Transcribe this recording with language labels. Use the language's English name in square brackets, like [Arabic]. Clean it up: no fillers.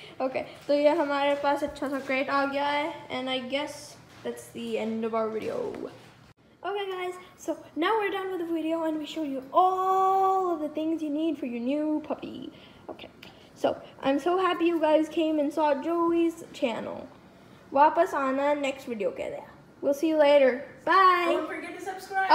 [English] Okay, so yeah, [Hindi] हमारे पास अच्छा सा crate आ गया है, [English] and I guess that's the end of our video. Okay, guys. So now we're done with the video, and we showed you all of the things you need for your new puppy. Okay, so I'm so happy you guys came and saw Joey's channel. [Hindi] वापस आना next video के लिए. [English] We'll see you later. Bye. Don't forget to subscribe.